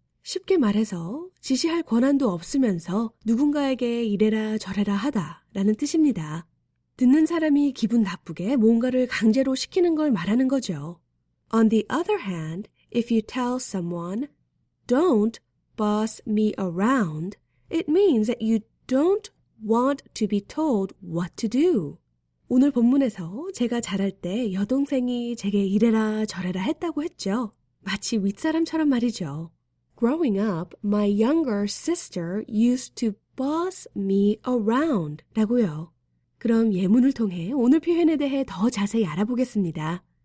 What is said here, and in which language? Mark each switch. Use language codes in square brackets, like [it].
[ko] 쉽게 말해서 지시할 권한도 없으면서 누군가에게 이래라 저래라 하다 라는 뜻입니다. 듣는 사람이 기분 나쁘게 뭔가를 강제로 시키는 걸 말하는 거죠. [en] On the other hand, if you tell someone, don't boss me around, it means that you don't want to be told what to do. [ko] 오늘 본문에서 제가 자랄 때 여동생이 제게 이래라 저래라 했다고 했죠. 마치 윗사람처럼 말이죠. [en] Growing up, my younger sister used to boss me around [ko] 라고요. 그럼 예문을 통해 오늘 표현에 대해 더 자세히 알아보겠습니다.